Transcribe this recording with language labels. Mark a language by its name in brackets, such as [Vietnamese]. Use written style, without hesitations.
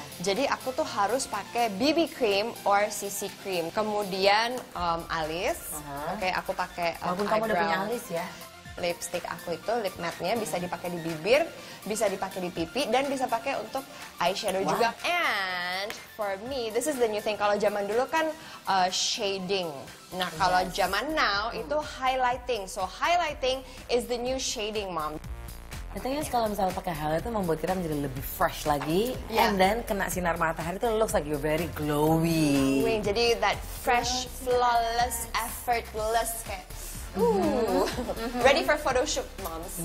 [Indonesian] Jadi aku tuh harus pakai BB cream or CC cream. Kemudian alis. Oke, aku pakai eyebrow. Kamu udah punya alis ya? Lipstick aku itu lip matte-nya bisa dipakai di bibir, bisa dipakai di pipi, dan bisa pakai untuk eyeshadow juga. [English] And for me, this is the new thing. [Indonesian] Kalau zaman dulu kan shading. Nah, kalau zaman now itu highlighting. [English] So highlighting is the new shading, mom. [Indonesian] Katanya kalau misalnya pakai highlight itu membuat kita menjadi lebih fresh lagi, and then kena sinar matahari itu [English] looks like you're very glowy. Jadi that fresh, flawless, effortless kayak. Ready for photoshoot, moms.